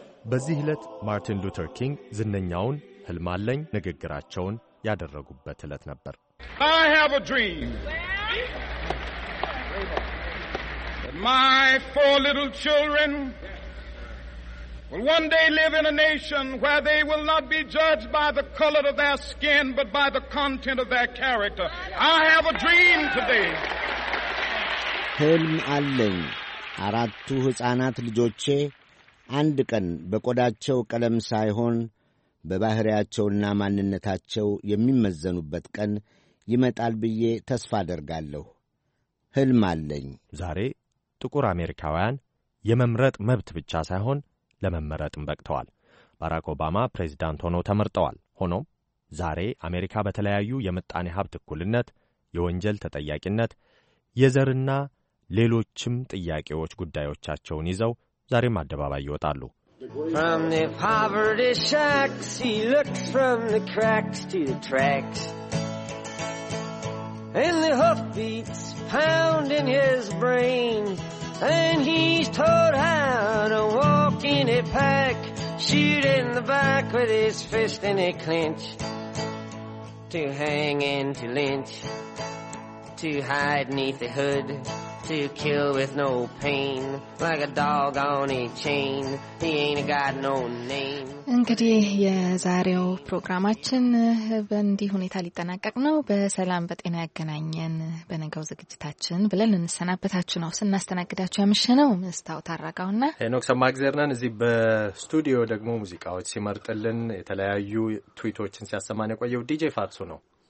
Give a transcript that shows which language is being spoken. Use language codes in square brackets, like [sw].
[am] በዚህ ዕለት ማርቲን ሉተር ኪንግ ዝነኛውን ህልም አለኝ ንግግራቸውን ያደረጉበት ዕለት ነበር። [en] I have a dream. My four little children will one day live in a nation where they will not be judged by the color of their skin but by the content of their character. I have a dream today. [am] ህልም አለኝ አራቱ ህፃናት ልጆቼ አንድ ቀን በቆዳቸው ቀለም ሳይሆን በባህሪያቸውና ማንነታቸው የሚመዘኑበት ቀን ይመጣል ብዬ ተስፋ አደርጋለሁ። ህልም አለኝ። ዛሬ ጥቁር አሜሪካውያን የመምረጥ መብት ብቻ ሳይሆን ለመመረጥም በቅተዋል። ባራክ ኦባማ ፕሬዝዳንት ሆኖ ተመርጠዋል። ሆኖም ዛሬ አሜሪካ በተለያዩ የምጣኔ ሀብት እኩልነት፣ የወንጀል ተጠያቂነት፣ የዘርና ሌሎችም ጥያቄዎች ጉዳዮቻቸውን ይዘው ዛሬም አደባባይ ይወጣሉ። [en] From the poverty shacks he looks from the cracks to the tracks and the hoofbeats pound in his brain and he's taught how to walk in a pack shoot in the back with his fist in a clinch to hang and to lynch to hide neath the hood to kill with no pain like a dog on a chain he ain't got no name. [am] እንግዲህ የዛሬው ፕሮግራማችን በእንዲህ ሁኔታ ሊጠናቀቅ ነው። በሰላም በጤና ያገናኘን። በነገው ዝግጅታችን ብለን እንሰናበታችሁ ነው ስናስተናግዳችሁ ያመሸነው መስታው ታራጋውና ሄኖክ ሰማግዘር ነን። እዚህ በስቱዲዮ ደግሞ ሙዚቃዎች ሲመርጥልን የተለያዩ ትዊቶችን ሲያሰማን የቆየው ዲጄ ፋክሱ ነው።